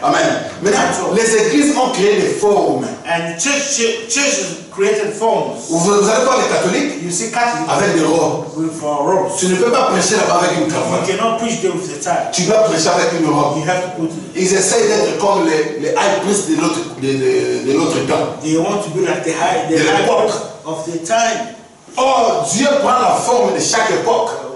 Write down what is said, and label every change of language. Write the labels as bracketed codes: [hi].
[fr] Amen. Maintenant, les églises ont créé des formes. [en] And the churches created forms. [fr] Vous allez voir les catholiques. [en] You see Catholics. [fr] Avec des robes. [en] With robes. [fr] Tu ne peux pas prêcher là-bas avec une cravate. [en] You cannot preach there with a tie. [fr] Tu dois prêcher avec une robe. [en] You have to put. [fr] Ils essayent d'être comme les [en] high priests [fr] de l'autre. De l'autre temps. [en] They want to be like the high, the époque. Of the time. [fr] Oh, Dieu prend la forme de chaque époque.